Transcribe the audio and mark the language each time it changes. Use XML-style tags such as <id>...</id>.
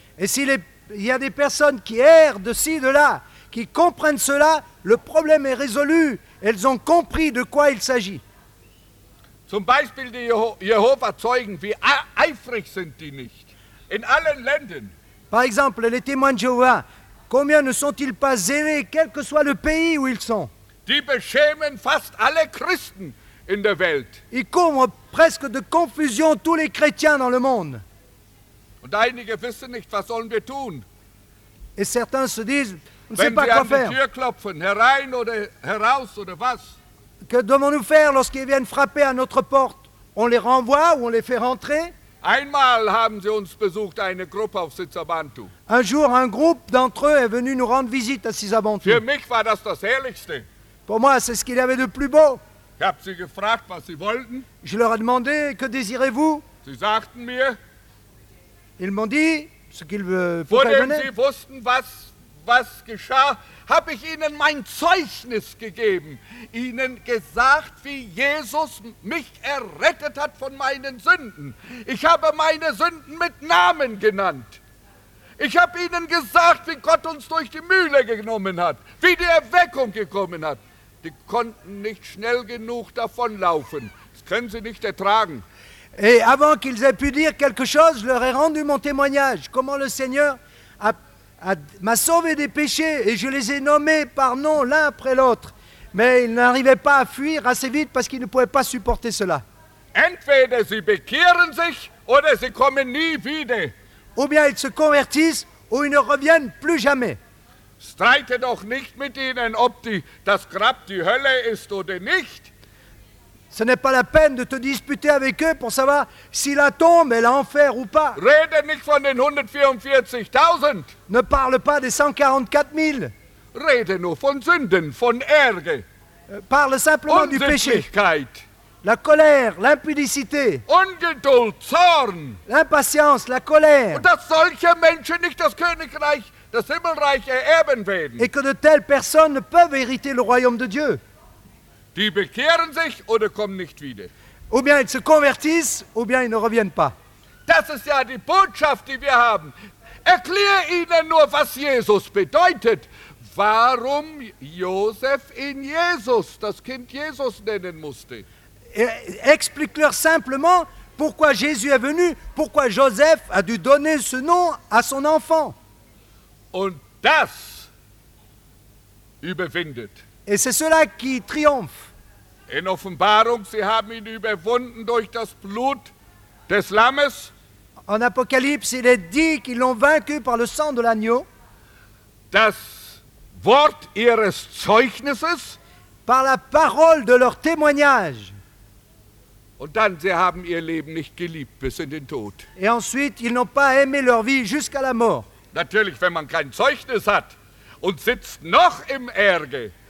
<fr>Et si il y a des personnes qui errent de ci, de là, qui comprennent cela, le problème est résolu. Elles ont compris de quoi il s'agit.</fr> <de>Zum Beispiel die Jehovah-Zeugen, wie eifrig sind die nicht? In allen Ländern.</de> <fr>Par exemple, les témoins de Jéhovah, combien ne sont-ils pas zélés, quel que soit le pays où ils sont?</fr> <de>die beschämen fast alle Christen in der Welt.</de> <fr>Ils comblent presque de confusion tous les chrétiens dans le monde.</fr> <de>Und einige wissen nicht, was sollen wir tun.</de> <fr>Et certains se disent, on sait pas</fr> <de>sie</de> <fr>quoi</fr> <de>an</de> <fr>faire.</fr> <de>Die Tür klopfen, herein oder heraus oder was?</de> <fr>Que devons-nous faire lorsqu'ils viennent frapper à notre porte? On les renvoie ou on les fait rentrer?</fr> <de>Einmal haben sie uns besucht, eine Gruppe auf Sisabantu.</de> <fr>Un jour, un groupe d'entre eux est venu nous rendre visite à Sisabantu.</fr> <de>Für mich war das das Herrlichste.</de> <fr>Pour moi, c'est ce qu'il y avait de plus beau.</fr> <de>Ich habe sie gefragt, was sie wollten.</de> <fr>Je leur ai demandé, que désirez-vous?</fr> <de>Sie sagten mir.</de> <fr>Ils m'ont dit ce qu'ils veulent.</fr> <de>Vor dem sie wussten, was geschah, habe ich ihnen mein Zeugnis gegeben. Ihnen gesagt, wie Jesus mich errettet hat von meinen Sünden. Ich habe meine Sünden mit Namen genannt. Ich habe ihnen gesagt, wie Gott uns durch die Mühle genommen hat, wie die Erweckung gekommen hat. Die konnten nicht schnell genug davonlaufen. Das können sie nicht ertragen.</de> <fr>Et avant qu'ils aient pu dire quelque chose, je leur ai rendu mon témoignage. Comment le Seigneur m'a sauvé des péchés et je les ai nommés par nom l'un après l'autre. Mais ils n'arrivaient pas à fuir assez vite parce qu'ils ne pouvaient pas supporter cela.</fr> <de>Entweder sie bekehren sich oder sie kommen nie wieder.</de> <fr>Ou bien ils se convertissent ou ils ne reviennent plus jamais.</fr> <de>Streite doch nicht mit ihnen, ob das Grab die Hölle ist oder nicht.</de> <fr>Ce n'est pas la peine de te disputer avec eux pour savoir si la tombe est l'enfer ou pas.</fr> <de>Rede nicht von den 144.000.</de> <fr>Ne parle pas des 144.000.</fr> <de>Rede nur von Sünden, von Ärger.</de> <fr>Parle simplement du péché.</fr> <de>Unsittlichkeit.</de> <fr>La colère, l'impudicité.</fr> <de>Ungeduld, Zorn.</de> <fr>L'impatience, la colère.</fr> <de>Und dass solche Menschen nicht das Königreich, das Himmelreich erben werden.</de> <fr>Et que de telles personnes ne peuvent hériter le royaume de Dieu.</fr> <de>Die bekehren sich oder kommen nicht wieder.</de> <fr>Ou bien ils se convertissent, ou bien ils ne reviennent pas.</fr> <de>Das ist ja die Botschaft, die wir haben. Erklär ihnen nur, was Jesus bedeutet. Warum Josef in Jesus, das Kind Jesus nennen musste.</de> <fr>Explique-leur simplement pourquoi Jésus est venu, pourquoi Joseph a dû donner ce nom à son enfant.</fr> <de>Und das überwindet.</de> <fr>Et c'est cela qui triomphe.</fr> <de>In Offenbarung, sie haben ihn überwunden durch das Blut des Lammes.</de> <fr>En Apocalypse, il est dit qu'ils l'ont vaincu par le sang de l'agneau.</fr> <de>Das Wort ihres Zeugnisses.</de> <fr>Par la parole de leur témoignage.</fr> <de>Und dann, sie haben ihr Leben nicht geliebt bis in den Tod.</de> <fr>Et ensuite, ils n'ont pas aimé leur vie jusqu'à la mort.</fr> <de>Natürlich, wenn man kein Zeugnis hat und sitzt noch im Ärger.</de>